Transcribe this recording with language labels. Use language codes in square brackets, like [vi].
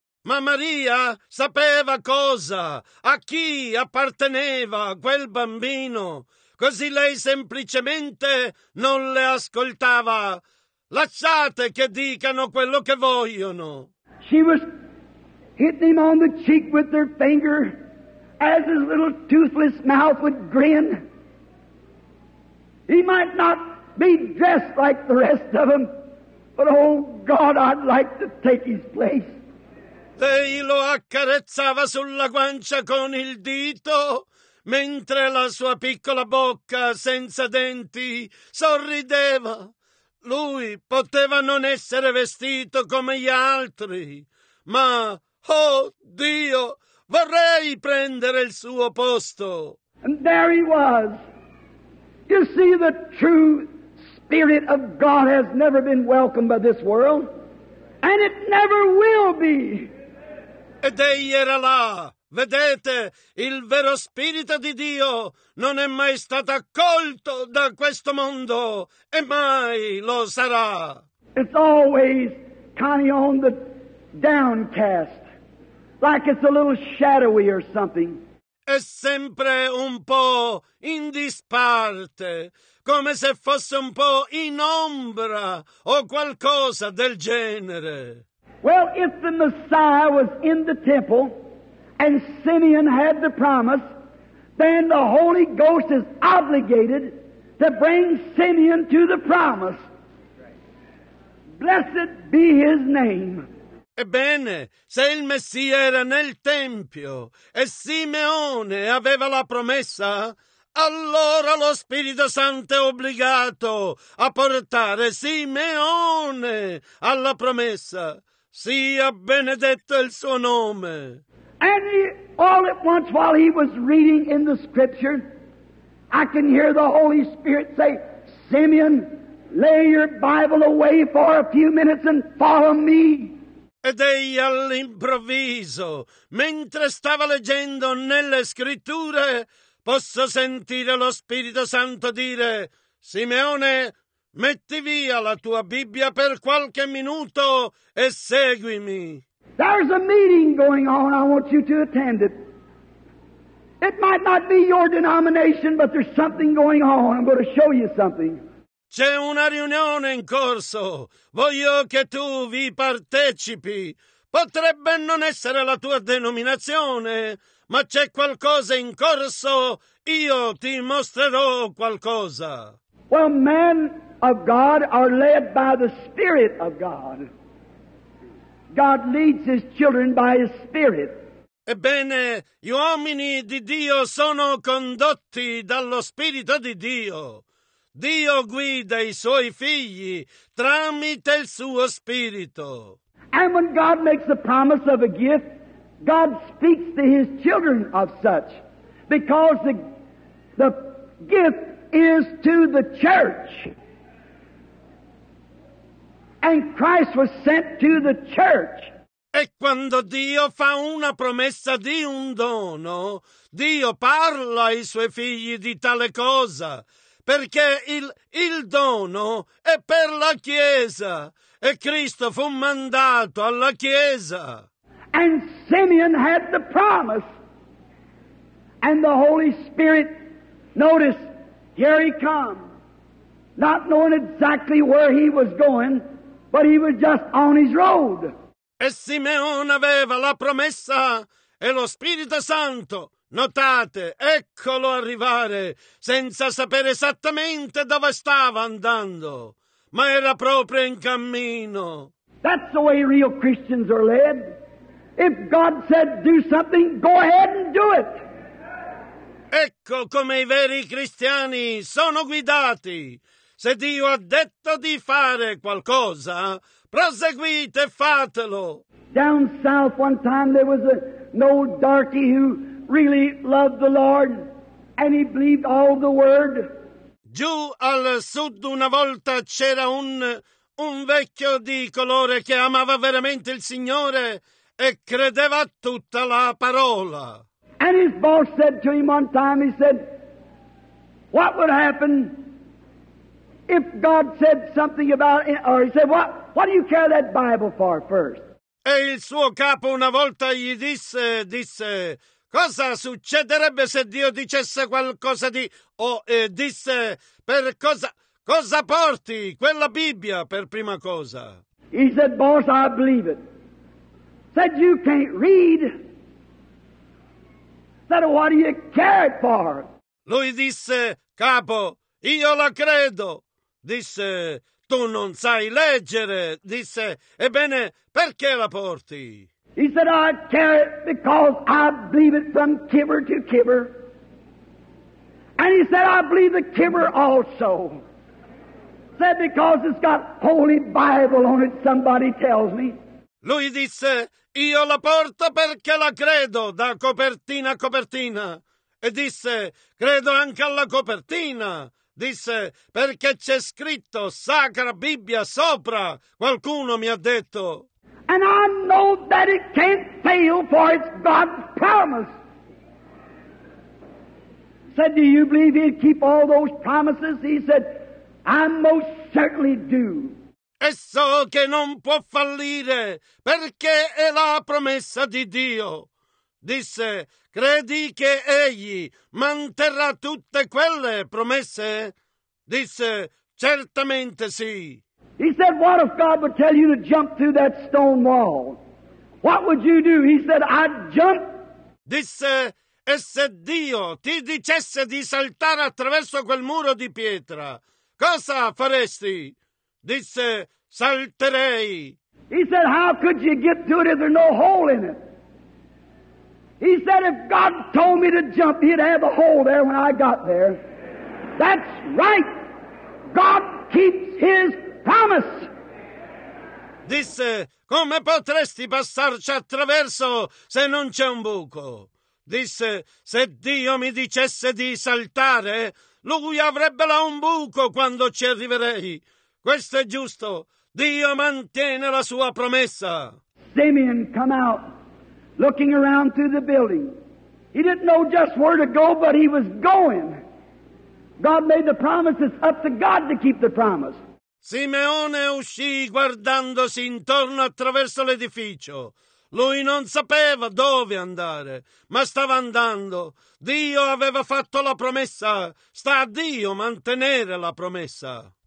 [it] Ma Maria sapeva cosa, a chi apparteneva quel bambino. Così lei semplicemente non le ascoltava. Lasciate che dicano quello che vogliono. [en] She was hitting him on the cheek with her finger as his little toothless mouth would grin. He might not be dressed like the rest of them, but oh God, I'd like to take his place. [it] Lei lo accarezzava sulla guancia con il dito, mentre la sua piccola bocca senza denti sorrideva. Lui poteva non essere vestito come gli altri, ma, oh Dio, vorrei prendere il suo posto. [en] And there he was. You see, the true Spirit of God has never been welcomed by this world, and it never will be. [it] Ed egli era là. Vedete, il vero Spirito di Dio non è mai stato accolto da questo mondo, e mai lo sarà. [en] It's always kind of on the downcast, like it's a little shadowy or something. [it] È sempre un po' in disparte, come se fosse un po' in ombra o qualcosa del genere. [en] Well, if the Messiah was in the temple and Simeon had the promise, then the Holy Ghost is obligated to bring Simeon to the promise. Blessed be his name. [it] Ebbene, se il Messia era nel Tempio e Simeone aveva la promessa, allora lo Spirito Santo è obbligato a portare Simeone alla promessa. Sia benedetto il suo nome. [en] And he, all at once, while he was reading in the Scripture, I can hear the Holy Spirit say, Simeon, lay your Bible away for a few minutes and follow me. [it] Ed egli all'improvviso, mentre stava leggendo nelle Scritture, posso sentire lo Spirito Santo dire, Simeone, metti via la tua Bibbia per qualche minuto e seguimi. [en] There's a meeting going on. I want you to attend it. It might not be your denomination, but there's something going on. I'm going to show you something. [it] C'è una riunione in corso. Voglio che tu vi partecipi. Potrebbe non essere la tua denominazione, ma c'è qualcosa in corso. Io ti mostrerò qualcosa. [en] Well, men of God are led by the Spirit of God. God leads his children by his Spirit. [it] Ebbene, gli uomini di Dio sono condotti dallo Spirito di Dio. Dio guida i suoi figli tramite il suo Spirito. [en] And when God makes the promise of a gift, God speaks to his children of such, because the gift is to the church. And Christ was sent to the church. [it] E quando Dio fa una promessa di un dono, Dio parla ai suoi figli di tale cosa, perché il dono è per la Chiesa, e Cristo fu mandato alla Chiesa. [en] And Simeon had the promise. And the Holy Spirit, notice, here he come, not knowing exactly where he was going, but he was just on his road. [it] E Simeone aveva la promessa e lo Spirito Santo, notate, eccolo arrivare, senza sapere esattamente dove stava andando, ma era proprio in cammino. [en] That's the way real Christians are led. If God said do something, go ahead and do it. [it] Ecco come i veri cristiani sono guidati. Se Dio ha detto di fare qualcosa, proseguite, fatelo. [en] Down south one time there was an old darky who really loved the Lord and he believed all the word. [it] Giù al sud una volta c'era un vecchio di colore che amava veramente il Signore e credeva a tutta la parola. [en] And his boss said to him one time, he said, what would happen if God said something about it? Or he said, what do you carry that Bible for first? [it] E il suo capo una volta gli disse, cosa succederebbe se Dio dicesse qualcosa di... disse, per cosa porti quella Bibbia per prima cosa? [en] He said, boss, I believe it. Said, you can't read. Said, what do you care for? [it] Lui disse, capo, io la credo. Disse, tu non sai leggere. Disse, ebbene, perché la porti? [en] He said, I care it because I believe it from kibber to kibber. And he said, I believe the kibber also. Said, because it's got Holy Bible on it, somebody tells me. [it] Lui disse, io la porto perché la credo, da copertina a copertina. E disse, credo anche alla copertina. Disse, perché c'è scritto Sacra Bibbia sopra, qualcuno mi ha detto. [en] And I know that it can't fail, for it's God's promise. Said, do you believe he'd keep all those promises? He said, I most certainly do. [it] E so che non può fallire, perché è la promessa di Dio. Disse, credi che egli manterrà tutte quelle promesse? Disse, certamente sì. [en] He said, what if God would tell you to jump through that stone wall? What would you do? He said, I'd jump. [it] Disse, e se Dio ti dicesse di saltare attraverso quel muro di pietra, cosa faresti? Disse, salterei. [en] He said, how could you get through it if there's no hole in it? He said, if God told me to jump, he'd have a hole there when I got there. That's right. God keeps his promise. [it] Disse, come potresti passarci attraverso se non c'è un buco? Disse, se Dio mi dicesse di saltare, lui avrebbe là un buco quando ci arriverei. Questo è giusto. Dio mantiene la sua promessa. [en] Simeon come out, looking around through the building. He didn't know just where to go, but he was going. God made the promise, it's up to God to keep the promise. [it] Simeone uscì guardandosi intorno attraverso l'edificio. Lui non sapeva dove andare, ma stava andando. Dio aveva fatto la promessa. Sta a Dio mantenere la promessa.